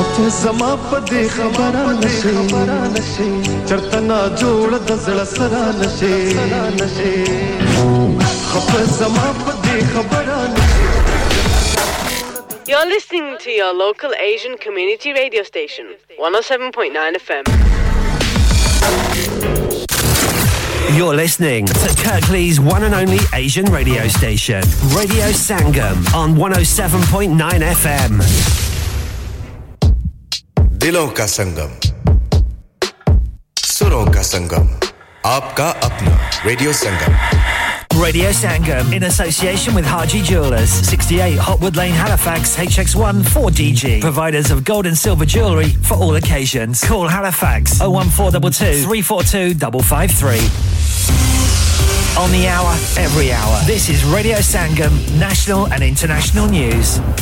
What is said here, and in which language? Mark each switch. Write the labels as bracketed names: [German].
[English] समाप दे खबरा नशे चरतना जोड़ दसला सरा नशे खप समाप दे खबरा नशे. You're listening to your local Asian community radio station, 107.9 FM. You're listening to Kirklees one and only Asian radio station, Radio Sangam on 107.9 FM. [Hindi] दिलों का संगम, सुरों का संगम, आपका अपना radio Sangam. [English] Radio Sangam, in association with Haji Jewellers. 68 Hotwood Lane, Halifax, HX1 4DG. Providers of gold and silver jewellery for all occasions. Call Halifax 01422 342 553. On the hour, every hour. This is Radio Sangam, national and international news.